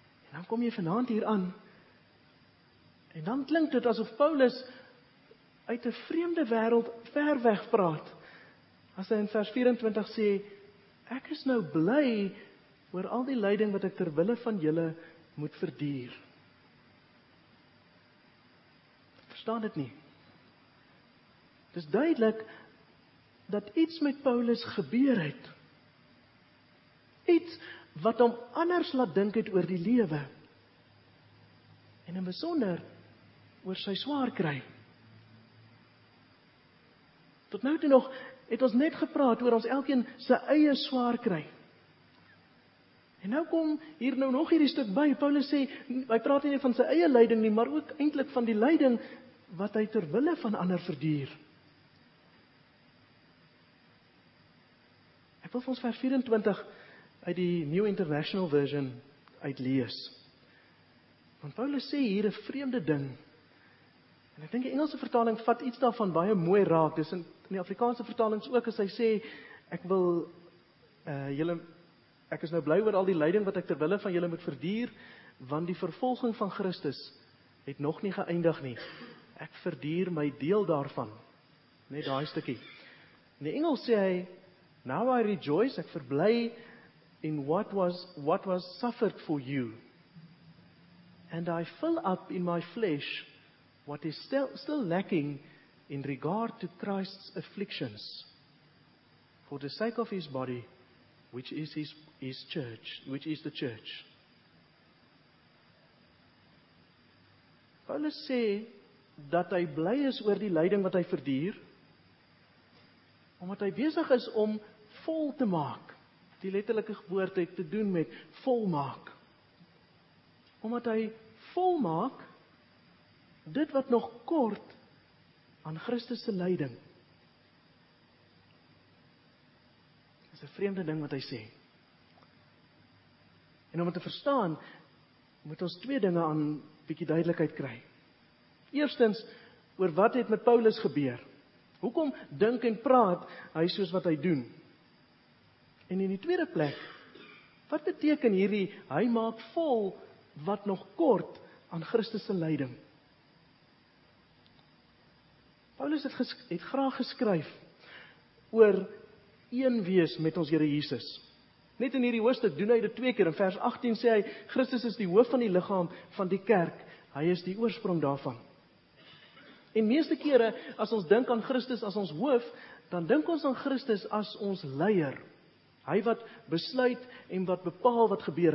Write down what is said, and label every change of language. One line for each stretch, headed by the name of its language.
Afrikaans: En dan kom jy vanaand hier aan, en dan klink dit asof Paulus uit 'n vreemde wêreld ver weg praat, as hy in vers 24 sê, ek is nou bly oor al die lyding wat ek ter wille van julle moet verduur. Verstaan dit nie? Dit is duidelik dat iets met Paulus gebeur het. Iets wat hom anders laat dink het oor die lewe. En in besonder oor sy swaar kry. Tot nou toe nog het ons net gepraat oor ons elkeen sy eie swaar kry. En nou kom hier nou nog hierdie stuk by, Paulus sê, hy praat nie van sy eie lyding nie, maar ook eintlik van die lyding wat hy ter wille van ander verduur. Ek wil vir ons vers 24 uit die New International Version uitlees. Want Paulus sê hier 'n vreemde ding, en ek dink die Engelse vertaling vat iets daarvan baie mooi raak, dis in die Afrikaanse vertalings ook, as hy sê, ek wil julle... Ek is nou bly oor al die lyding wat ek ter wille van julle moet verduur, want die vervolging van Christus het nog nie geëindig nie. Ek verduur my deel daarvan. Net daai stukkie. In die Engels sê hy,
English: now I rejoice,
Afrikaans: ek verbly
English: in what was suffered for you. And I fill up in my flesh what is still lacking in regard to Christ's afflictions. For the sake of his body, which is his church, which is the church.
Afrikaans: Paulus sê dat hy bly is oor die lyding wat hy verduur, omdat hy besig is om vol te maak, die letterlike woord het te doen met vol maak. Omdat hy vol maak, dit wat nog kort aan Christus se lyding. Dis 'n vreemde ding wat hy sê. En om dit te verstaan, moet ons twee dinge aan bietjie duidelikheid kry. Eerstens, oor wat het met Paulus gebeur? Hoekom dink en praat hy soos wat hy doen? En in die tweede plek, wat beteken hierdie, hy maak vol wat nog kort aan Christus se lyding? Paulus het graag geskryf oor een wees met ons Here Jesus. Net in hierdie hoofstuk doen hy dit twee keer. In vers 18 sê hy, Christus is die hoof van die liggaam van die kerk. Hy is die oorsprong daarvan. En meeste kere, as ons dink aan Christus as ons hoof, dan dink ons aan Christus as ons leier. Hy wat besluit en wat bepaal wat gebeur.